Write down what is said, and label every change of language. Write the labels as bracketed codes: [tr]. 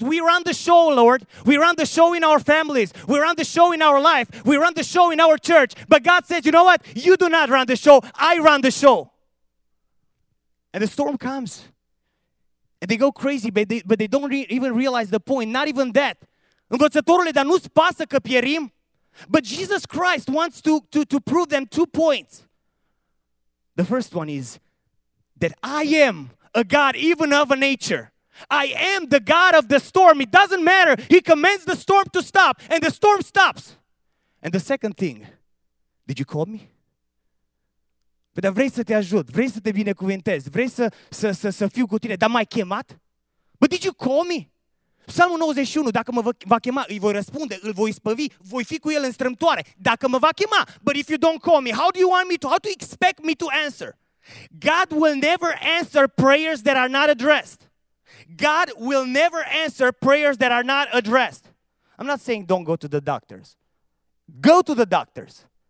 [en] We run the show, Lord. We run the show in our families. We run the show in our life. We run the show in our church. But God says, you know what? You do not run the show. I run the show. And the storm comes, and they go crazy, but they don't even realize the point, not even that. [ro] Învățătorule, dar nu-ți pasă că pierim? [en] But Jesus Christ wants to prove them 2 points. The first one is that I am a God even of a nature. I am the God of the storm. It doesn't matter. He commands the storm to stop, and the storm stops. And the second thing, did you call me? [ro] Păi, dar vrei să te ajut, vrei să te binecuvintez, vrei să fiu cu tine, dar m-ai chemat? [en] But did you call me? [ro] Psalmul 91, dacă mă va chema, îi voi răspunde, îl voi spăvi, voi fi cu el în strâmtoare, dacă mă va chema. [en] But if you don't call me, how do you want me to, how do you expect me to answer? God will never answer prayers that are not addressed. God will never answer prayers that are not addressed. I'm not saying don't go to the doctors. Go to the doctors.